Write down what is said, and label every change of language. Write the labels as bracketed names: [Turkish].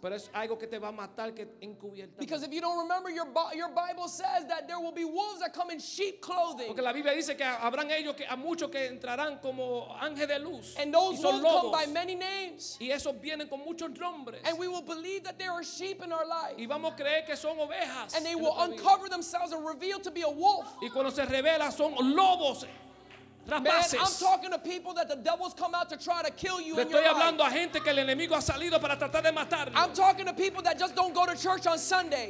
[Spanish] Pero es algo que te va a matar, que encubierto. [English] Because if you don't remember, your Bible says that there will be wolves that come in sheep clothing. [Spanish] Porque la Biblia dice que habrán ellos que a muchos que entrarán como ángel de luz. [English] And those wolves [Spanish] lobos. [English] Come by many names. [Spanish] Y esos vienen con muchos nombres. [English] And we will believe that there are sheep in our life. [Spanish] Y vamos a creer que son ovejas. [English] And they will uncover themselves and reveal to be a wolf. [Spanish] Y cuando se revela son lobos. [English] Man, I'm talking to people that the devil's come out to try to kill you. [Spanish] Estoy hablando a gente que el enemigo ha salido para tratar de matarlo. [English] I'm talking to people that just don't go to church on Sunday.